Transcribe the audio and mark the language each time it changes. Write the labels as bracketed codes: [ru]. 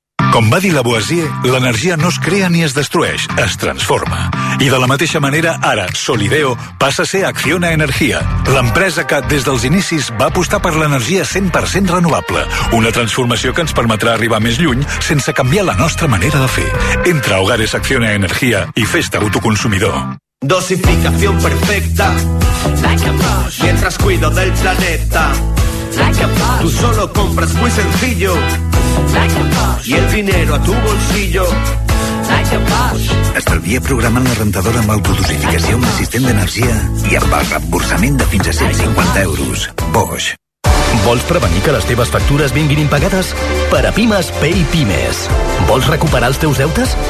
[ca] Com va dir Lavoisier, l'energia no es crea ni es destrueix, es transforma. I de la mateixa manera, ara, Solideo passa a ser Acciona Energia, l'empresa que, des dels inicis, va apostar per l'energia 100% renovable. Una transformació que ens permetrà arribar més lluny sense canviar la nostra manera de fer. Entra a Hogares Acciona Energia i fes-te autoconsumidor. [es] Dosificación perfecta, [en] like a Bosch. [es] Mientras cuido del planeta, [en] like a Bosch. [es] Tú solo compras muy sencillo, like a Bosch. Y el dinero a tu bolsillo, [en] like a Bosch. [ca] Estalvia programant la rentadora amb autodosificació amb assistent d'energia i amb el reemborsament de fins a 150 euros. Bosch. Vols prevenir que les teves factures vinguin impagades? Per a Pimes, Pay Pimes. Vols recuperar els teus deutes?